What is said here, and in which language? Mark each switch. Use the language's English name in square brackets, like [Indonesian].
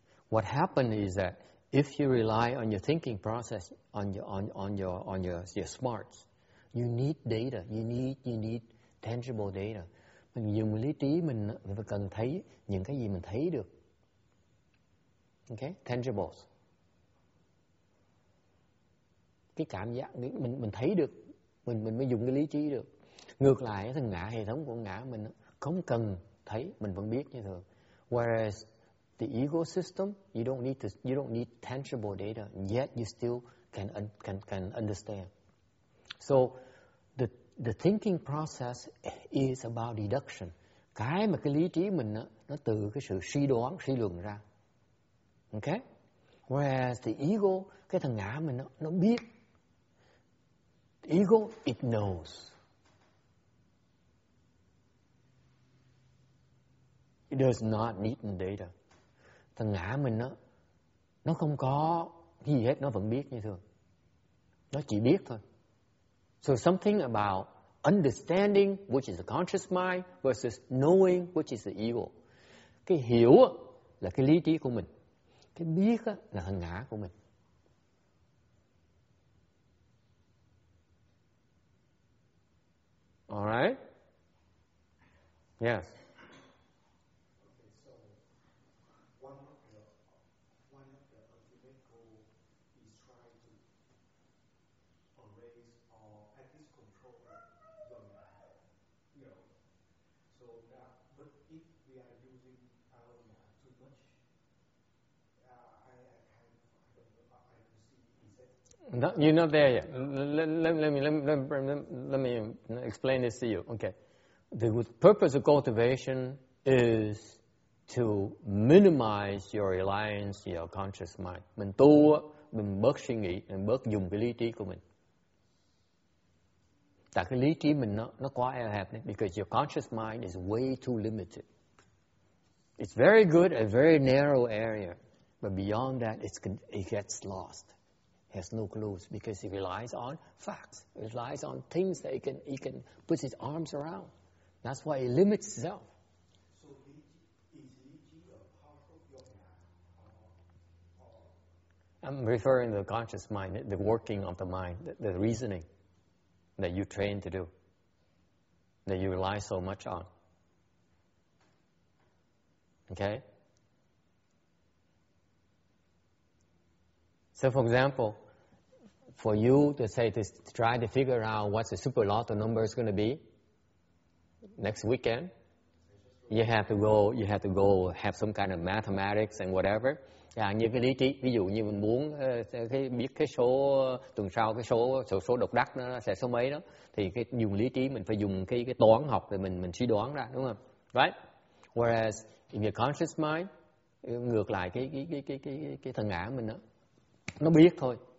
[English] What happened is that if you rely on your thinking process, on your smarts, you need data. You need tangible data. [Vietnamese] Mình dùng lý trí mình phải cần thấy những cái gì mình thấy được. Okay, tangibles. Cái cảm giác mình thấy được, mình mới dùng cái lý trí được. Ngược lại thằng ngã, hệ thống của ngã mình không cần thấy, mình vẫn biết như thường. [English] Whereas the ego system, you don't need tangible data, yet you still can understand. So the thinking process is about deduction. [Vietnamese] Cái mà cái lý trí mình nó từ cái sự suy đoán, suy luận ra. Okay? [English] Whereas the ego, [Vietnamese] cái thằng ngã mình nó biết. [English] The ego, it knows. It does not need the data. [Vietnamese] Thằng ngã mình nó không có gì hết, nó vẫn biết như thường. Nó chỉ biết thôi. [English] So something about understanding, which is the conscious mind, versus knowing, which is the ego. [Vietnamese] Cái hiểu là cái lý trí của mình. Cái biết là thằng ngã của mình. [English] Alright? Yes. No, you're not there yet. Let me explain this to you. Okay. The purpose of cultivation is to minimize your reliance on your conscious mind. [Vietnamese] Mình tu, mình bớt suy nghĩ, mình bớt dùng cái lý trí của mình. Tại cái lý trí mình nó quá eo hẹp này, [English] because your conscious mind is way too limited. It's very good, a very narrow area, but beyond that, it gets lost. Has no clues because it relies on facts. It relies on things that he can put his arms around. That's why he limits himself. So is your I'm referring to the conscious mind, the working of the mind, the reasoning that you train to do, that you rely so much on. Okay? So for example, for you to say to try to figure out what the super lotto number is going to be next weekend, you have to go have some kind of mathematics and whatever. [Vietnamese] Yeah, như cái lý trí, ví dụ như mình muốn biết cái số tuần sau, cái số độc đắc nó sẽ số mấy đó, thì cái dùng lý trí mình phải dùng cái toán học để mình suy đoán ra, đúng không? Right? [English] Whereas in your conscious mind, [Vietnamese] ngược lại cái thần ngã mình đó, nó biết thôi.